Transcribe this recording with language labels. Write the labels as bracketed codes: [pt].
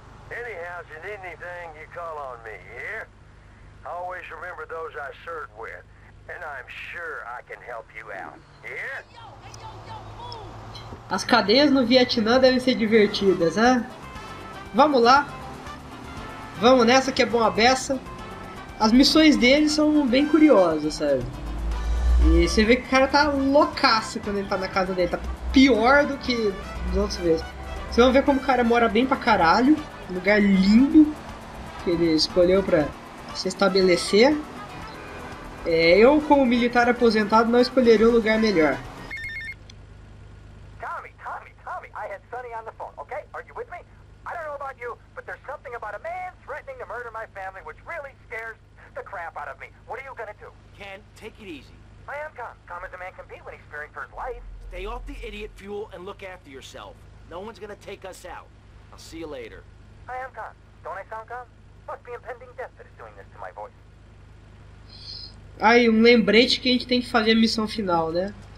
[en] Anyhow, if you need anything, you call on me, you hear? I always remember those I served with, and I'm sure I can help you out, you hear? [pt] As cadeias no Vietnã devem ser divertidas, hein? Vamos lá! Vamos nessa que é bom a beça. As missões deles são bem curiosas, sabe? E você vê que o cara tá loucaço quando ele tá na casa dele, tá pior do que as outras vezes. Vocês vão ver como o cara mora bem pra caralho. Lugar lindo que ele escolheu pra se estabelecer. Eu, como militar aposentado, não escolheria um lugar melhor. [en] Tommy, I had Sonny on the phone, okay? Are you with me? I don't know about you, but there's something about a man threatening to murder my family which really scares the crap out of me. What are you gonna do? Ken, take it easy. I am calm. Calm as a man can be when he's fearing for his life. Stay off the idiot fuel and look after yourself. No one's gonna take us out. I'll see you later. I am calm. Don't I sound calm? Must be impending death that is doing this to my voice. [pt] Aí, lembrete que a gente tem que fazer a missão final, né?